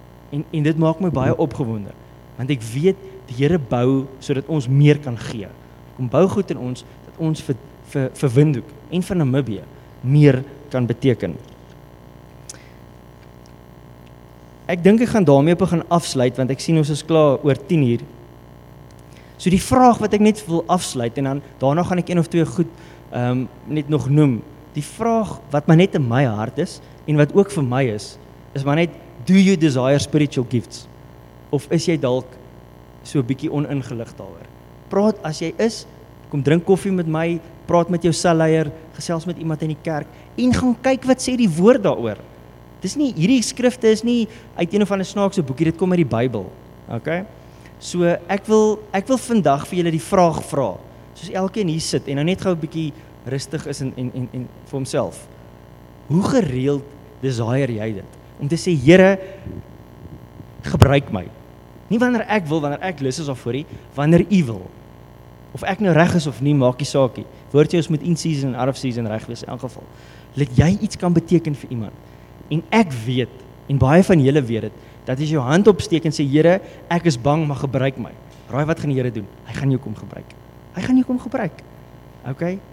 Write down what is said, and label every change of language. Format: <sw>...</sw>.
<af>En dit maak my baie opgewonde, want ek weet die Here bou sodat ons meer kan gee. Kom bou goed in ons dat ons vir Windhoek en vir Namibië meer kan beteken. Ek dink ek gaan daarmee begin afsluit, want ek sien ons is klaar oor 10 uur. So die vraag wat ek net wil afsluit, en dan daarna gaan ek een of twee goed net nog noem, die vraag wat maar net in my hart is, en wat ook vir my is, is maar net,</af> <en>do you desire spiritual gifts?</en> <af>Of is jy dalk so 'n bietjie oningelig daaroor? Praat as jy is, kom drink koffie met my, praat met jou selleier, gesels met iemand in die kerk, en gaan kyk wat sê die woord daaroor. Dis nie, hierdie skrifte is nie uit een of ander snaakse boekie, dit kom uit die Bybel. Okay? So ek wil vandag vir julle die vraag vra, soos elkeen hier sit en nou net gou 'n bietjie rustig is en vir homself. Hoe gereeld desire jy dit? Om te sê, Here, gebruik my. Nie wanneer ek wil, wanneer ek lus is of voorie, wanneer U wil. Of ek nou reg is of nie, maak nie saak nie. Woord jy ons moet in season en</af> <en>out of season</en> <af>reg wees in elk geval. Let jy iets kan beteken vir iemand. En ek weet, en baie van julle weet dit, dat as jy jou hand opsteek en sê, Here, ek is bang, maar gebruik my. Raai wat gaan die Here doen? Hy gaan jou kom gebruik. Hy gaan jou kom gebruik. Ok?</af>